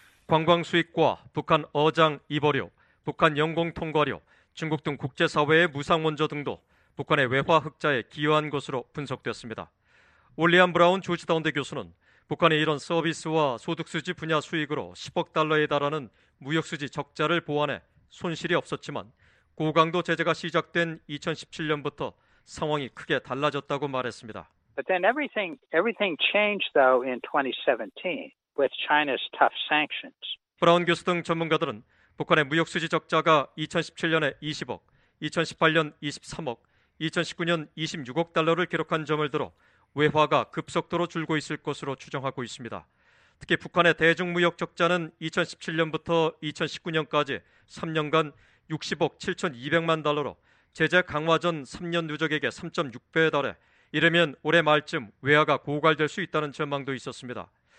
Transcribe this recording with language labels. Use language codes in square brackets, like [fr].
[ko] 관광 수익과 북한 어장 이버료, 북한 영공 통과료, 중국 등 국제사회의 무상 원조 등도 북한의 외화 흑자에 기여한 것으로 분석됐습니다. 올리안 브라운 조지타운대 교수는 북한의 이런 서비스와 소득수지 분야 수익으로 10억 달러에 달하는 무역수지 적자를 보완해 손실이 없었지만 고강도 제재가 시작된 2017년부터 상황이 크게 달라졌다고 말했습니다. [en] But then everything changed though in 2017 with China's tough sanctions. [ko] 브라운 교수 등 전문가들은 북한의 무역수지 적자가 2017년에 20억, 2018년 23억, 2019년 26억 달러를 기록한 점을 들어 외화가 급속도로 줄고 있을 것으로 추정하고 있습니다. 특히 북한의 대중무역 적자는 2017년부터 2019년까지 3년간 60억 7,200만 달러로 제재 강화 전 3년 누적액의 3.6배에 달해 이르면 올해 말쯤 외화가 고갈될 수 있다는 전망도 있었습니다.